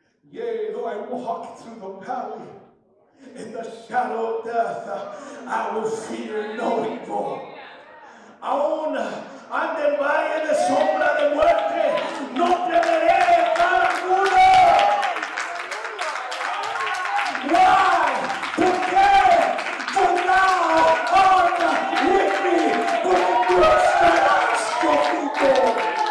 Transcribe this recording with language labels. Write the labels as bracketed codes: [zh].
[en] Yea, though I walk through the valley in the shadow of death, I will fear no evil. [es] Aún ande en valle de sombra de muerte, no temeré mal alguno. [en] Why? [es] ¿Por qué? [en] For thou art with me, for the Lord has spoken to me.